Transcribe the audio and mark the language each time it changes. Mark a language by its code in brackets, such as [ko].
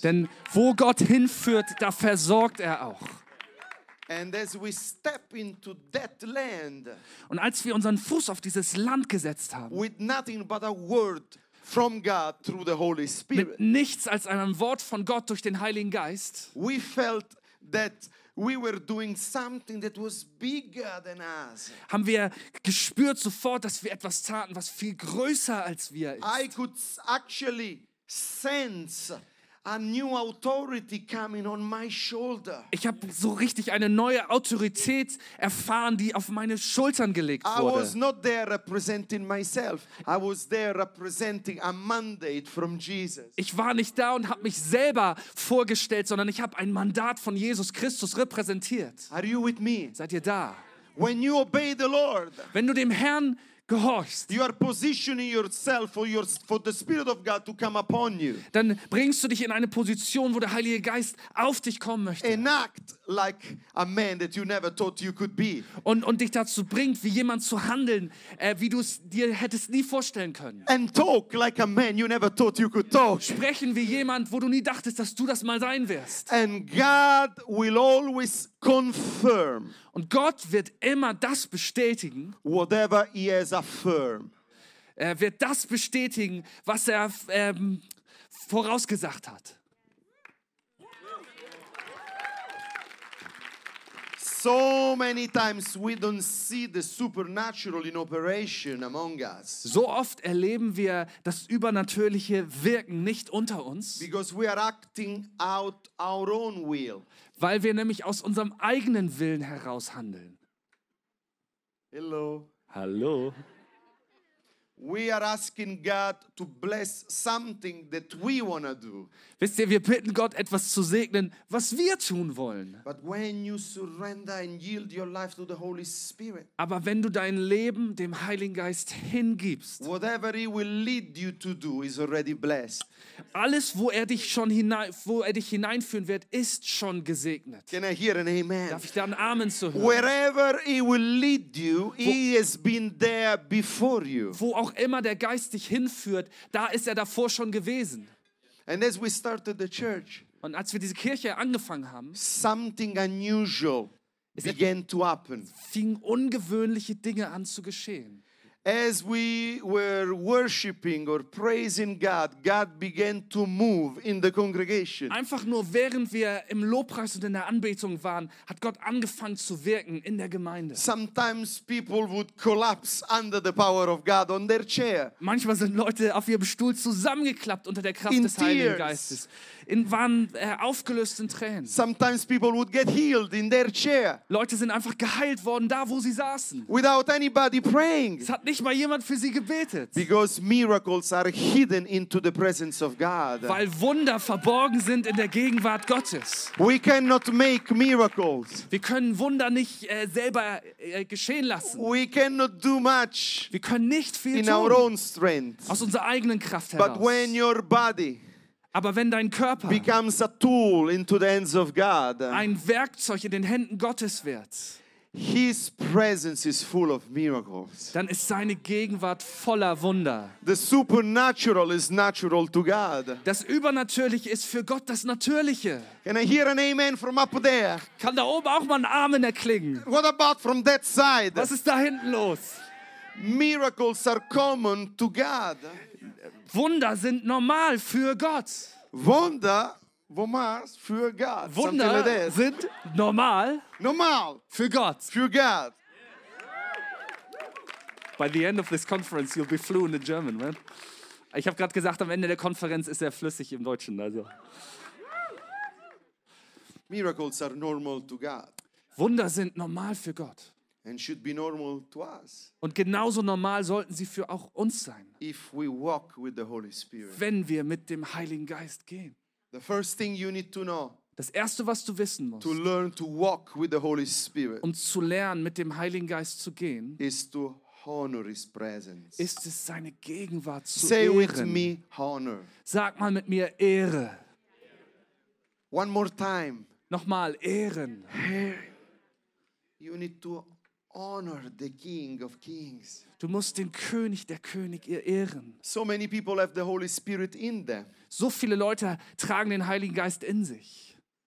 [de] Denn wo Gott hinführt, da versorgt er auch. [en] And as we step into that land, [de] und als wir unseren Fuß auf dieses Land gesetzt haben, [en] with nothing but a word from God through the Holy Spirit, [de] mit nichts als einem Wort von Gott durch den Heiligen Geist, [en] we felt that we were doing something that was bigger than us. [de] Haben wir gespürt sofort, dass wir etwas taten, was viel größer als wir ist. [en] I could actually sense a new authority coming on my shoulder. [de] Ich habe so richtig eine neue Autorität erfahren, die auf meine Schultern gelegt wurde. [en] I was not there representing myself. I was there representing a mandate from Jesus. [de] Ich war nicht da und habe mich selber vorgestellt, sondern ich habe ein Mandat von Jesus Christus repräsentiert. [en] Are you with me? [de] Seid ihr da? [en] When you obey the Lord. [de] Wenn du dem Herrn gehorchst. [en] You are positioning yourself for the Spirit of God to come upon you. [de] Dann bringst du dich in eine Position, wo der Heilige Geist auf dich kommen möchte. [en] And act like a man that you never thought you could be. [de] Und dich dazu bringt, wie jemand zu handeln, wie du es dir hättest nie vorstellen können. [en] And talk like a man you never thought you could talk. [de] Sprechen wie jemand, wo du nie dachtest, dass du das mal sein wirst. [en] And God will always confirm. [de] Und Gott wird immer das bestätigen, [en] whatever he has affirmed. [de] Er wird das bestätigen, was er vorausgesagt hat. [en] So many times we don't see the supernatural in operation among us. [de] So oft erleben wir das übernatürliche Wirken nicht unter uns. [en] Because we are acting out our own will. [de] Weil wir nämlich aus unserem eigenen Willen heraus handeln. [en] Hello. [de] Hallo. [en] We are asking God to bless something that we wanna do. [de] Wisst ihr, wir bitten Gott, etwas zu segnen, was wir tun wollen. [en] But when you surrender and yield your life to the Holy Spirit. [de] Aber wenn du dein Leben dem Heiligen Geist hingibst. [en] Whatever he will lead you to do is already blessed. [de] Alles, wo er dich hineinführen wird, ist schon gesegnet. [en] Can I hear an amen? [de] Darf ich da einen Amen zu hören? [en] Wherever he will lead you, he has been there before you. [de] Wo auch immer der Geist dich hinführt, da ist er davor schon gewesen. [en] And as we started the church, [de] und als wir diese Kirche angefangen haben, [en] something unusual began to happen. [de] Fing ungewöhnliche Dinge an zu geschehen. [en] As we were worshiping or praising God, God began to move in the congregation. [de] Einfach nur während wir im Lobpreis und in der Anbetung waren, hat Gott angefangen zu wirken in der Gemeinde. [en] Sometimes people would collapse under the power of God on their chair. [de] Manchmal sind Leute auf ihrem Stuhl zusammengeklappt unter der Kraft des Heiligen Geistes. Waren aufgelöst in Tränen. [en] Sometimes people would get healed in their chair. [de] Leute sind einfach geheilt worden da, wo sie saßen. [en] Without anybody praying. [de] Hat nicht mal jemand für sie gebetet. [en] Because miracles are hidden into the presence of God. [de] Weil Wunder verborgen sind in der Gegenwart Gottes. [en] We cannot make miracles. [de] Wir können Wunder nicht selber geschehen lassen. [en] We cannot do much. [de] Wir können nicht viel [en] in [de] tun. [en] Our own strength. [de] Aus unserer eigenen Kraft heraus. [en] But when your body, [de] aber wenn dein Körper [en] becomes a tool into the hands of God, [de] ein Werkzeug in den Händen Gottes wird, [en] His presence is full of miracles. [de] Dann ist seine Gegenwart voller Wunder. [en] The supernatural is natural to God. [de] Das Übernatürliche ist für Gott das Natürliche. [en] Can I hear an amen from up there? [de] Kann da oben auch mal ein Amen erklingen? [en] What about from that side? [de] Was ist da hinten los? [en] Miracles are common to God. [de] Wunder sind normal für Gott. Wunder. Womals für Gott. Wunder [en] like [de] sind normal. Normal für Gott. Für Gott. [en] By the end of this conference, you'll be fluent in German, man. [de] Ich habe gerade gesagt, am Ende der Konferenz ist er flüssig im Deutschen. Also. [en] Miracles are normal to God. [de] Wunder sind normal für Gott. [en] And should be normal to us. [de] Und genauso normal sollten sie für auch uns sein. [en] If we walk with the Holy Spirit. [de] Wenn wir mit dem Heiligen Geist gehen. [en] The first thing you need to know. [de] Das erste, was du wissen musst. [en] To learn to walk with the Holy Spirit. [de] Um zu lernen, mit dem Heiligen Geist zu gehen. [en] Is to honor His presence. [de] Ist es seine Gegenwart zu [en] Say [de] ehren. [en] With me, honor. [de] Sag mal mit mir Ehre. [en] One more time. [de] Nochmal Ehren. [en] You need to honor the King of Kings. [de] Du musst den König der König ehren. [en] So many people have the Holy Spirit in them. [de] So viele Leute tragen den Heiligen Geist in sich.